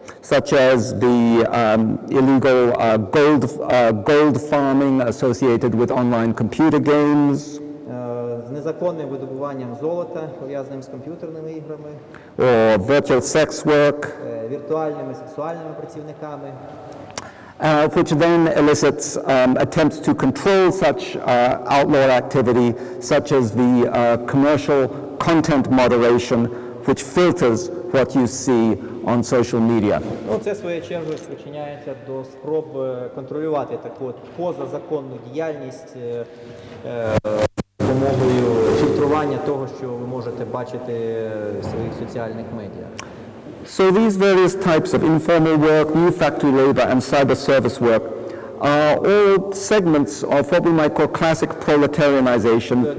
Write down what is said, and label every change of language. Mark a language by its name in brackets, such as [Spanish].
[English] Such as the illegal gold farming associated with online computer games. [Ukrainian] З незаконним видобуванням золота, пов'язаним з комп'ютерними іграми. [English] Or virtual sex work. [Ukrainian] Віртуальними сексуальними працівниками. [English] Which then elicits attempts to control such outlaw activity, such as the commercial content moderation, which filters what you see on social media. [Ukrainian] Ну, це, в свою чергу, спричиняється до спроб контролювати таку от позазаконну діяльність допомогою фільтрування того, що ви можете бачити в своїх соціальних медіа. [English] So these various types of informal work, new factory labor, and cyber service work are all segments of what we might call classic proletarianization.